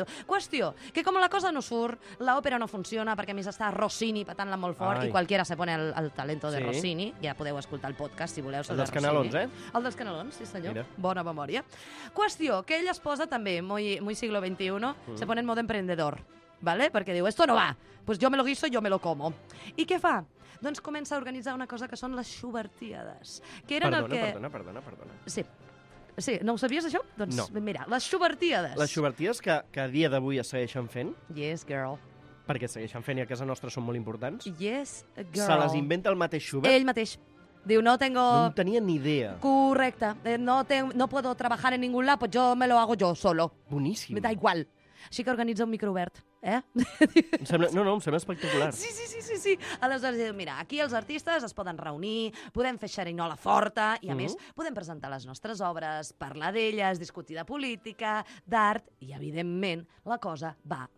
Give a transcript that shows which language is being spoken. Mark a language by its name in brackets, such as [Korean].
[Catalan] Qüestió, que com la cosa no surt, l'òpera no funciona perquè a més està Rossini petant-la molt fort. Ai. I qualsevol [Spanish] se pone el talento de sí. [Catalan] Rossini. Ja podeu escoltar el podcast, si voleu. El dels canalons, eh? El dels canalons, sí senyor. Mira. Bona memòria. Qüestió, que ell es posa també, [Spanish] muy siglo XXI, se pone en modo emprendedor, ¿vale? [Catalan] Perquè diu, [Spanish] esto no va, pues yo me lo guiso, yo me lo como. [Catalan] I què fa? Doncs comença a organitzar una cosa que són les Schubertíades. Que eren perdona, el que... perdona. Sí. Sí, no ho sabies, això? Doncs no. Mira, les Schubertíades. Les Schubertíades que a dia d'avui es segueixen fent. [English] Yes, girl. [Catalan] Perquè es segueixen fent i a casa nostra són molt importants. [English] Yes, girl. [Catalan] Se les inventa el mateix Schubert? Ell mateix. Diu, [Spanish] no tengo... [Catalan] No en tenia ni idea. Correcte. [Spanish] No puedo trabajar en ningún lado, pues yo me lo hago yo solo. [Catalan] Boníssim. [Spanish] Me da igual. [Catalan] Així que organitza un micro obert, eh? Em sembla espectacular. Sí. Aleshores, mira, aquí els artistes es poden reunir, podem fer xerinola forta, i a més, podem presentar les nostres obres, parlar d'elles, discutir de política, d'art, i evidentment, la cosa va